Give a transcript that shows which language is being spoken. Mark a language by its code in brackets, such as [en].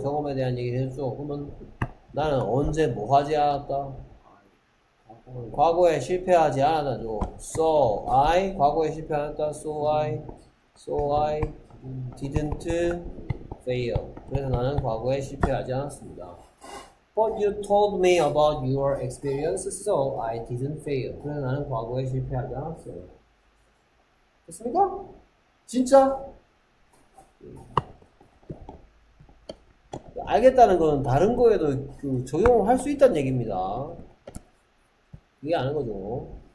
[ko] 경험에 대한 얘기를 해줬죠? 그러면 나는 언제 뭐 하지 않았다? 과거에 실패하지 않았다죠. [en] So I, [ko] 과거에 실패 안 했다. [en] So I didn't fail. [ko] 그래서 나는 과거에 실패하지 않았습니다. [en] But you told me about your experience, so I didn't fail. [ko] 그래서 나는 과거에 실패하지 않았어요. 됐습니까? 진짜? 알겠다는 건 다른 거에도 그 적용을 할 수 있다는 얘기입니다. 이게 아는 거죠.